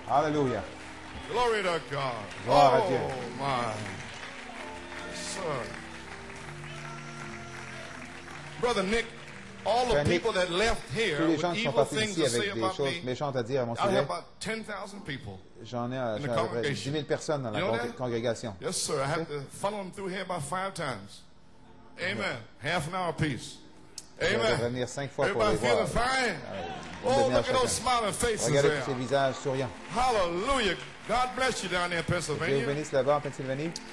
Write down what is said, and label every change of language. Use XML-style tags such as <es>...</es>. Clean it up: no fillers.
<en>Hallelujah. Glory to God. Glory to God. Oh, my. Sir. Brother Nick, all the people that left here with evil things to say about me, I have about 10,000 people.</en> <fr>J'en ai à peu près 10 000 personnes dans la congrégation.</fr> <en>Yes, sir. I have to funnel them through here about 5 times. Amen. Half an hour apiece. Amen.</en> <fr>Venir 5 fois pour les voir.</fr> <en>Everybody feeling fine? Oh, look at those smiling faces.</en> <fr>Regardez tous ces visages souriants.</fr> <en>Hallelujah. God bless you down there in Pennsylvania.</en> <fr>Dieu vous bénisse là-bas en Pennsylvanie.</fr>